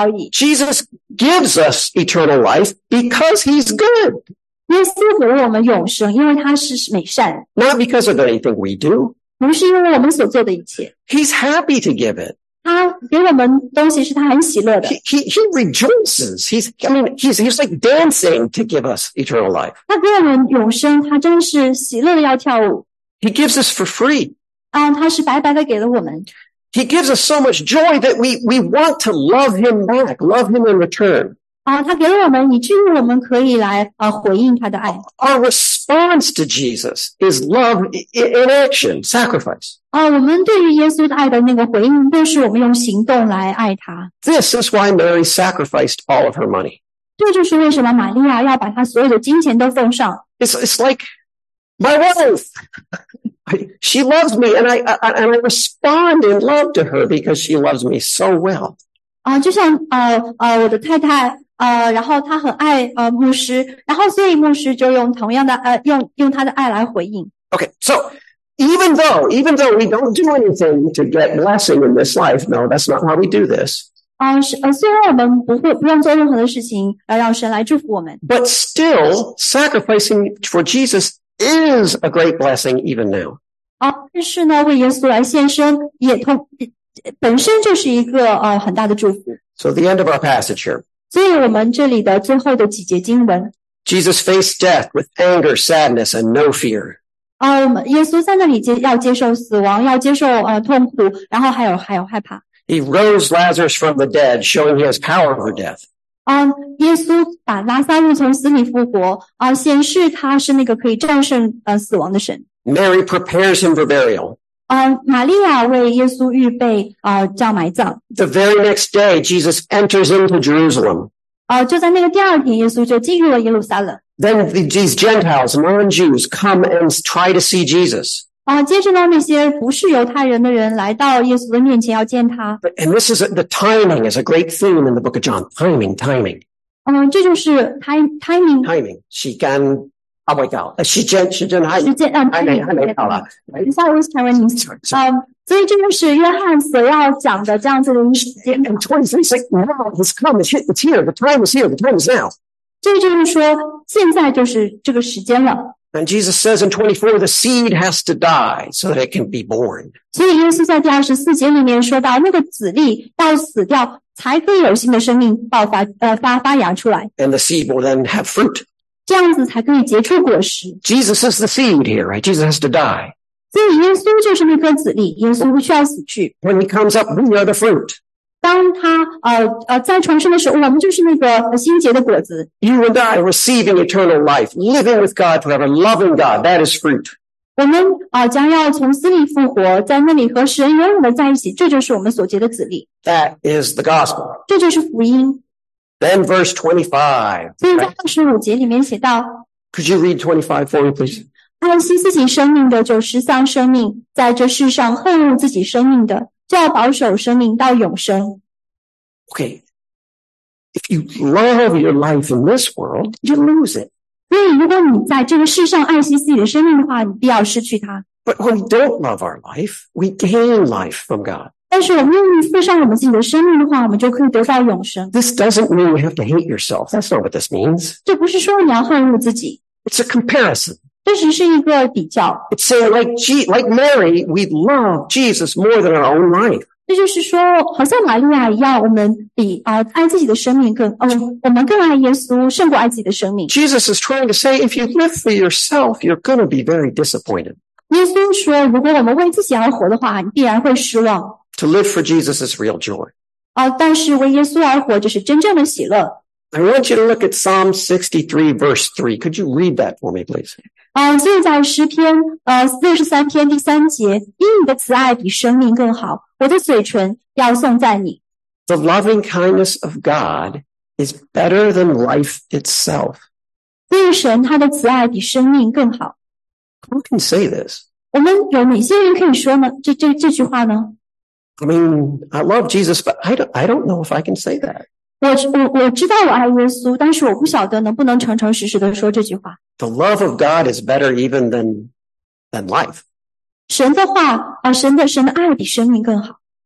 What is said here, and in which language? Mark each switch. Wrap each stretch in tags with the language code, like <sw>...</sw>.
<en>Jesus gives us eternal life because he's good.</en> <zh>耶稣给我们永生因为他是美善。</zh> <en>Not because of anything we do.</en> <zh>不是因为我们所做的一切。</zh> <en>He's happy to give it.</en> <zh>他给我们东西是他很喜乐的。</zh> <en>He rejoices. He's like dancing to give us eternal life.</en> <zh>他给我们永生他真是喜乐的要跳舞。</zh> <en>He gives us for free.</en> <zh>他是白白的给了我们。</zh> <en>He gives us so much joy that we want to love him back, love him in return.</en> <zh>他给了我们以至于我们可以来回应他的爱。</zh> <en>Our response to Jesus is love in action, sacrifice.</en> <zh>我们对于耶稣的爱的那个回应就是我们用行动来爱他。</zh> <en>This is why Mary sacrificed all of her money.</en> <zh>这就是为什么玛利亚要把她所有的金钱都奉上。</zh> <en>It's like my wealth. She loves me, and I respond in love to her because she loves me so well.</en> <zh>就像我的太太然后她很爱牧师，然后所以牧师就用同样的用他的爱来回应。</zh> <en>Okay, so even though we don't do anything to get blessing in this life, no, that's not why we do this.</en> <zh>虽然我们不用做任何的事情来让神来祝福我们</zh> <en>，but still sacrificing for Jesus. Is a great blessing even now.</en> <zh>但是呢，为耶稣来献身也同本身就是一个很大的祝福。</zh> <en>So the end of our passage here.</en> <zh>所以我们这里的最后的几节经文。</zh> <en>Jesus faced death with anger, sadness, and no fear.</en> <zh>耶稣在那里要接受死亡，要接受痛苦，然后还有害怕。</zh> <en>He rose Lazarus from the dead, showing he has power over death.</en> <zh>耶稣把拉撒路从死里复活显示他是那个可以战胜死亡的神。</zh> <en>Mary prepares him for burial.</en> <zh>玛利亚为耶稣预备叫埋葬。</zh> <en>The very next day, Jesus enters into Jerusalem.</en> <zh>就在那个第二天耶稣就进入了耶路撒冷。</zh> <en>Then these Gentiles, non-Jews, come and try to see Jesus.</en> <zh>接着呢那些不是犹太人的人来到耶稣的面前要见他。</zh> <en>And this is the timing is a great theme in the book of John. Timing.</en> <zh>这就是 timing.</zh> <en>Timing. 时间 oh my god. 时间 timing.</en> <zh>还没好了。</zh> <en>It's always timing.</en> <zh>所以这就是约翰所要讲的这样子的时间。</zh> <en>And 23 is like, now it's come, it's here, the time is here, the time is now.</en> <zh>这就是说现在就是这个时间了。</zh> <en>And Jesus says in 24, the seed has to die so that it can be born.</en> <zh>所以耶稣在第24节里面说到那个子粒到死掉才可以有新的生命爆发发芽出来。</zh> <en>And the seed will then have fruit.</en> <zh>这样子才可以结出果实。</zh> <en>Jesus is the seed here, right? Jesus has to die.</en> <zh>所以耶稣就是那颗子粒耶稣需要死去。</zh> <en>When he comes up, we are the fruit.</en> <zh>当他再重生的时候我们就是那个新结的果子。</zh> <en>You and I receiving eternal life, living with God forever, loving God, that is fruit.</en> <zh>我们将要从死里复活在那里和神永远的在一起这就是我们所结的子粒。</zh> <en>That is the gospel.</en> <zh>这就是福音。</zh> <en>Then verse 25.</en> <zh>所以在25节里面写到。</zh> <en>Could you read 25 for me, please?</en> <zh>爱惜自己生命的就失丧生命在这世上恨恶自己生命的就要保守生命到永生。</zh> <en>Okay. If you love your life in this world, you lose it.</en> <zh>所以如果你在这个世上爱惜自己的生命的话，你必要失去它。</zh> <en>But when we don't love our life, we gain life from God.</en> <zh>但是我们愿意付上我们自己的生命的话，我们就可以得到永生。</zh> <en>This doesn't mean you have to hate yourself. That's not what this means.</en> <zh>这不是说你要恨恶自己。</zh> <en>It's a comparison.</en> <zh>这只是一个比较。</zh> <en>It's saying like Mary, we love Jesus more than our own life.</en> <zh>这就是说，好像玛利亚一样，我们比爱自己的生命更我们更爱耶稣，胜过爱自己的生命。</zh> <en>Jesus is trying to say, if you live for yourself, you're going to be very disappointed.</en> <zh>耶稣说如果我们为自己而活的话你必然会失望。</zh> <en>To live for Jesus is real joy.</en> <zh>但是为耶稣而活就是真正的喜乐。</zh> <en>I want you to look at Psalm 63 verse 3. Could you read that for me, please?</en> <zh>所以在诗篇43篇第三节因你的慈爱比生命更好我的嘴唇要颂赞你。</zh> <en>The loving kindness of God is better than life itself.</en> <zh>所以神他的慈爱比生命更好。</zh> <en>Who can say this?</en> <zh>我们有哪些人可以说呢？这句话呢</zh> <en>？I mean, I love Jesus, but I don't know if I can say that.</en> <zh>我知道我爱耶稣，但是我不晓得能不能诚诚实实的说这句话。</zh> <en>The love of God is better even than life.</en> <zh>神的话啊，神的爱比生命更好。</zh>